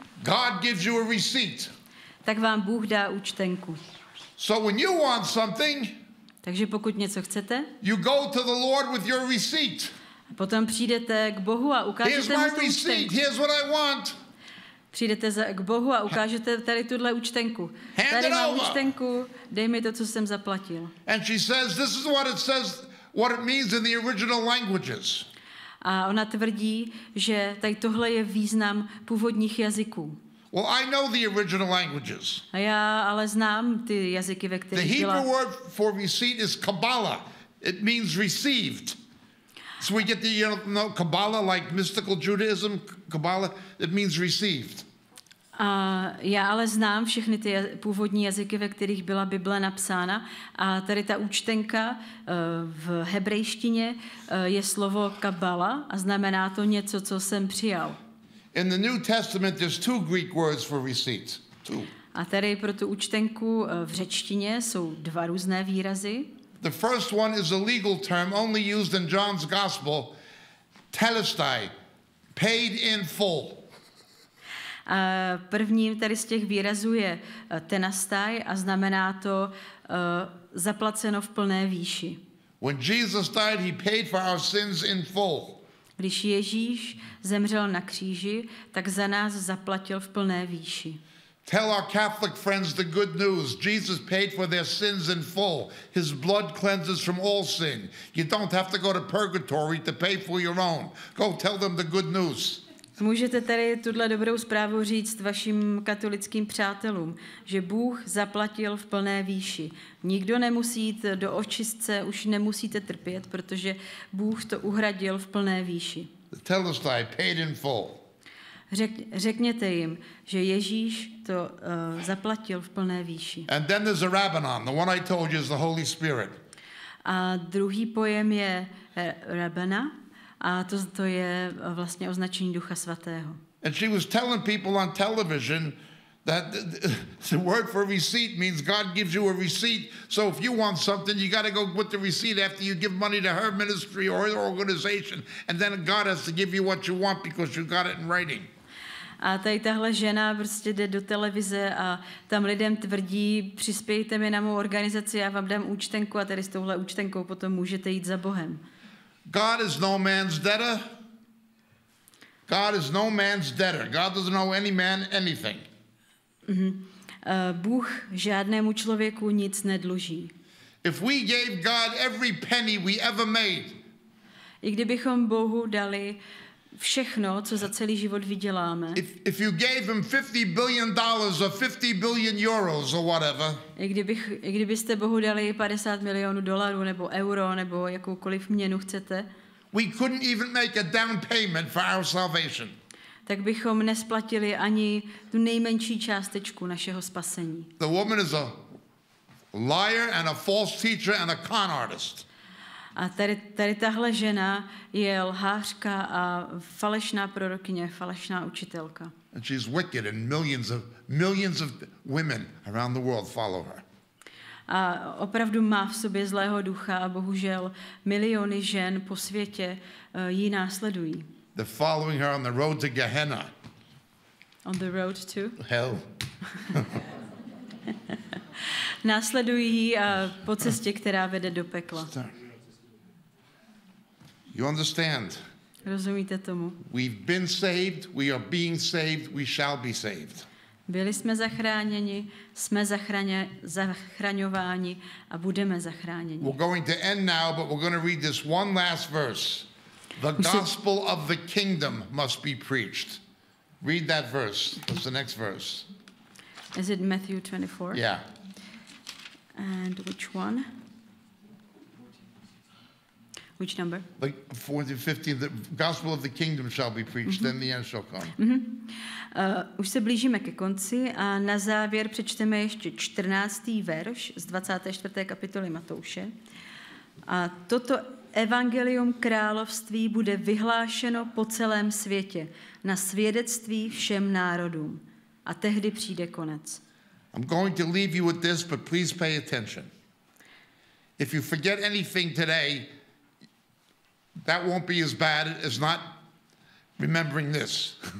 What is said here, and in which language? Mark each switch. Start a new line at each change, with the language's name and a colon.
English: God gives you a receipt.
Czech: Tak vám Bůh dá účtenku.
English: So when you want something,
Czech: takže pokud něco chcete,
English: you go to the Lord with your receipt.
Czech: Potom přijdete k Bohu a ukážete
English: here's
Czech: mu tu
English: my receipt.
Czech: Účtenku.
English: Here's what I want.
Czech: Přijdete k Bohu a ukážete tady tuhle účtenku.
English: Hand
Czech: tady mám
English: over.
Czech: Účtenku, dej mi to, co jsem zaplatil.
English: And she says, this is what it says, what it means in the original languages.
Czech: A ona tvrdí, že tady tohle je význam původních jazyků.
English: Well, I know the original languages.
Czech: A já ale znám ty jazyky, ve kterých byla.
English: The Hebrew word for receipt is Kabbalah. It means received. So we get the, you know, Kabbalah, like mystical Judaism, Kabbalah, it means received.
Czech: Já ale znám všechny ty původní jazyky, ve kterých byla Bible napsána. A tady ta účtenka v hebrejštině je slovo kabala a znamená to něco, co jsem přijal.
English: In the New Testament there's two Greek words for receipt. Two.
Czech: A tady pro tu účtenku v řečtině jsou dva různé výrazy.
English: The first one is a legal term only used in John's gospel, telestai, paid in full.
Czech: A prvním tady z těch výrazů je tenastai a znamená to zaplaceno v plné výši.
English: When Jesus died, he paid for our sins in full.
Czech: Když Ježíš zemřel na kříži, tak za nás zaplatil v plné výši.
English: Tell our Catholic friends the good news. Jesus paid for their sins in full. His blood cleanses from all sin. You don't have to go to purgatory to pay for your own. Go tell them the good news.
Czech: Můžete tady tuhle dobrou zprávu říct vašim katolickým přátelům, že Bůh zaplatil v plné výši. Nikdo nemusí jít do očistce, už nemusíte trpět, protože Bůh to uhradil v plné výši.
English: Tell us that I paid in full.
Czech: Řekněte jim, že Ježíš to zaplatil v plné výši.
English: And then there's a Rabbanon, the one I told you is the Holy Spirit.
Czech: A druhý pojem je Rabbana. A to je vlastně označení Ducha Svatého.
English: And she was telling people on television that the word for receipt means God gives you a receipt. So if you want something, you got to go with the receipt after you give money to her ministry or her organization, and then God has to give you what you want because you got it in writing.
Czech: A tady tahle žena prostě jde do televize a tam lidem tvrdí, přispějte mi na mou organizaci, já vám dám účtenku a tady s touhle účtenkou potom můžete jít za Bohem.
English: God is no man's debtor. God is no man's debtor. God doesn't owe any man anything. Mm-hmm.
Czech: Bůh žádnému člověku nic nedluží.
English: If we gave God every penny we ever made.
Czech: I kdybychom Bohu dali všechno, co za celý život vyděláme.
English: If you gave him $50 billion or €50 billion or whatever.
Czech: Kdybyste Bohu dali 50 milionů dolarů nebo euro nebo jakoukoliv měnu chcete.
English: We couldn't even make a down payment for our salvation.
Czech: Tak bychom nesplatili ani tu nejmenší částečku našeho spasení.
English: The woman is a liar and a false teacher and a con artist.
Czech: A tady tahle žena je lhářka a falešná prorokyně, falešná učitelka.
English: And she's wicked and millions of women around the world follow her.
Czech: A opravdu má v sobě zlého ducha a bohužel miliony žen po světě ji následují.
English: They're following her on the road to Gehenna. On the road to? Hell.
Czech: Následují ji po cestě, která vede do pekla.
English: You understand?
Czech: Rozumíte tomu?
English: We've been saved, we are being saved, we shall be saved.
Czech: Byli jsme zachráněni, jsme zachraňováni a budeme zachráněni.
English: We're going to end now, but we're going to read this one last verse. The gospel of the kingdom must be preached. Read that verse. What's the next verse? Is it Matthew 24? Yeah. And which one? Which number? Like 14-15, the gospel of the kingdom shall be preached, mm-hmm. Then the end shall come. Mm-hmm.
Czech: Už se blížíme ke konci a na závěr přečteme ještě 14. verš z 24. kapitoly Matouše. A toto evangelium království bude vyhlášeno po celém světě na svědectví všem národům. A tehdy přijde konec.
English: I'm going to leave you with this, but please pay attention. If you forget anything today, that won't be as bad as not remembering this.